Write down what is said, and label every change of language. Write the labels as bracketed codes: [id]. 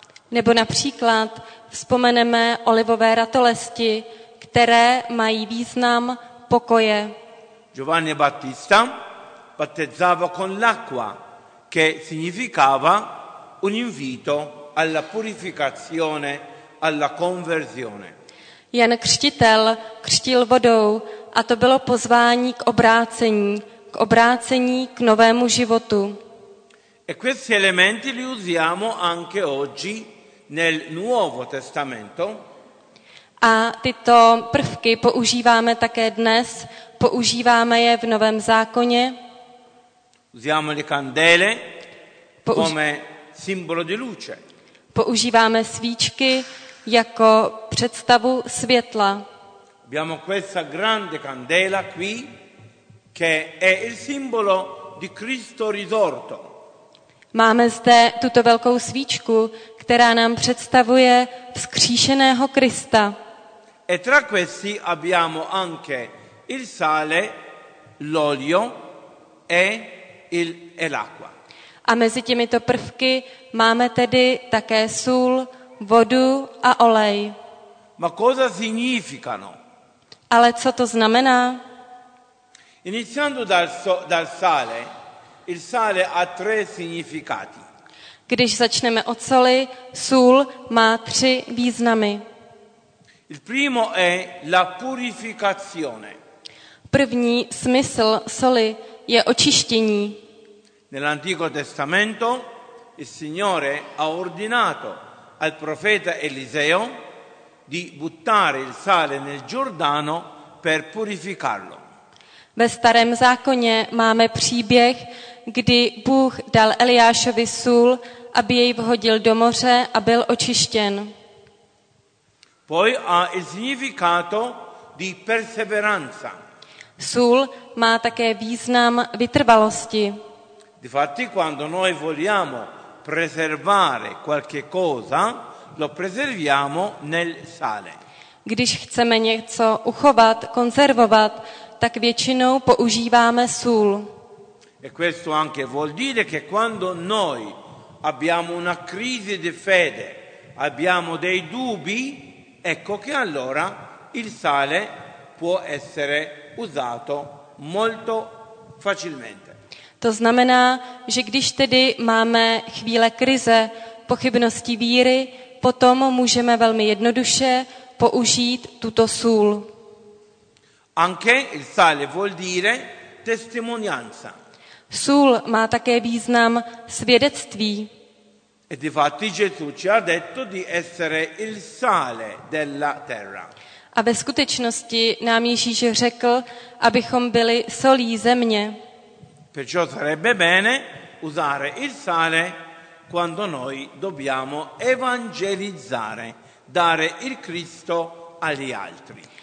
[cs] Nebo například vzpomeneme olivové ratolesti, které mají význam pokoje. [it] Giovanni Battista battezzava con l'acqua che significava un invito alla purificazione, alla conversione. [cs] Jan Křtitel křtil vodou a to bylo pozvání k obrácení. K obrácení k novému životu. [it] E questi elementi li usiamo anche oggi nel Nuovo Testamento. [cs] A tyto prvky používáme také dnes, používáme je v Novém zákoně. [it] Usiamo le candele come simbolo di luce. [cs] Používáme svíčky jako představu světla. [it] Abbiamo questa grande candela qui che è il simbolo di Cristo risorto. [cs] Máme zde tuto velkou svíčku, která nám představuje vzkříšeného Krista. [it] E tra questi abbiamo anche il sale, l'olio e l'acqua. [cs] A mezi těmito prvky máme tedy také sůl, vodu a olej. [it] Ma cosa significano? [cs] Ale co to znamená? [it] Iniziando dal sale, il sale ha tre significati. [cs] Když začneme od soli, sůl má tři významy. [it] Il primo è la purificazione. [cs] První smysl soli je očištění. [it] Nell'Antico Testamento il Signore ha ordinato al profeta Eliseo di buttare il sale nel Giordano per purificarlo. [cs] Ve Starém zákoně máme příběh, kdy Bůh dal Eliášovi sůl, aby jej vhodil do moře a byl očištěn. [it] Poi ha il significato di perseveranza. [cs] Sůl má také význam vytrvalosti. [it] Difatti, quando noi vogliamo preservare qualche cosa, lo preserviamo nel sale. [cs] Když chceme něco uchovat, konzervovat, tak většinou používáme sůl. [it] E questo anche vuol dire che quando noi abbiamo una crisi di fede, abbiamo dei dubbi, ecco che allora il sale può essere usato molto facilmente. [cs] To znamená, že když tedy máme chvíle krize, pochybnosti víry, potom můžeme velmi jednoduše použít tuto sůl. [it] Anche il sale vuol dire testimonianza. [cs] Sůl má také význam svědectví. [it] E difatti Gesù ci ha detto di essere il sale della terra. [cs] A ve skutečnosti nám Ježíš řekl, abychom byli solí země. [it] Perciò sarebbe bene usare il sale quando noi dobbiamo evangelizzare, dare il Cristo agli altri.